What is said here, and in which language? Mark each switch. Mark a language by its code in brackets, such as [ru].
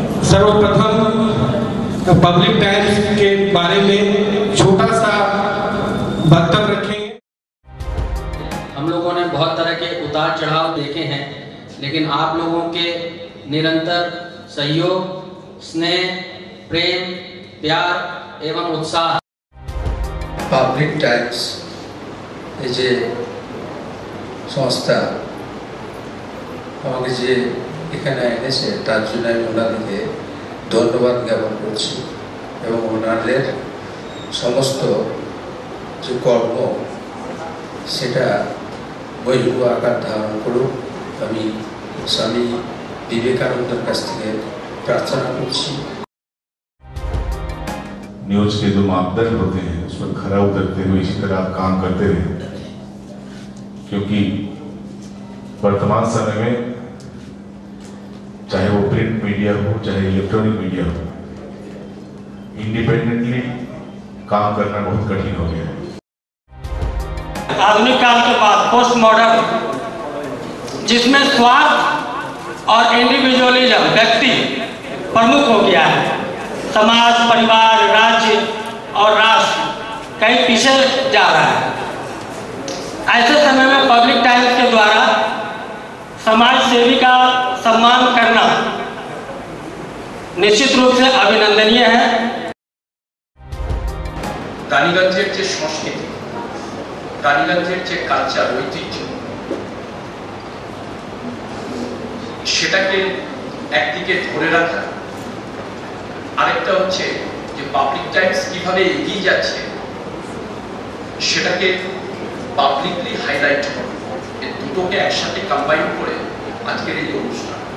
[hi] सर्वप्रथम public times के बारे में छोटा सा वक्तव्य रखें। हम लोगों ने बहुत तरह के उतार चढ़ाव देखे हैं, लेकिन आप लोगों के निरंतर सहयोग, स्नेह, प्रेम, प्यार एवं उत्साह। पब्लिक टाइम्स ये संस्था [bn] এখানে তার জন্য আমি ওনাদেরকে ধন্যবাদ জ্ঞাপন করছি এবং ওনাদের সমস্ত যে কর্ম সেটা বহু আকার ধারণ করুক। আমি স্বামী বিবেকানন্দের কাছ থেকে প্রার্থনা করছি। [hi] নিয়োজ কে তুম আপদল হতে হ্যাঁ, খরা উতরতে হুয়ে ইসি তরহ আপ কাম করতে রহে, क्योंकि वर्तमान समय में चाहे वो प्रिंट मीडिया हो चाहे इलेक्ट्रॉनिक मीडिया हो, इंडिपेंडेंटली काम करना बहुत कठिन हो गया है। आधुनिक काल के बाद पोस्ट मॉडर्न, जिसमें स्वार्थ और इंडिविजुअलिज्म व्यक्ति प्रमुख हो गया है, समाज, परिवार, राज्य और राष्ट्र कहीं पीछे जा रहा है। ऐसे समय में पब्लिक टाइम्स के द्वारा समाज सेवी का सम्मान करना निश्चित रूप से अभिनंदनीय है। कालीगंजर जो संस्कृति, कालीगंजर जो कल्चर ऐतिह्य, [bn] সেটাকে একদিকে ধরে রাখা, আরেকটা হচ্ছে যে পাবলিক টাইমস কিভাবে এগিয়ে যাচ্ছে সেটাকে পাবলিকলি হাইলাইট করা, এই দুটোকে একসাথে কম্বাইন করে আজকের এই অনুষ্ঠান।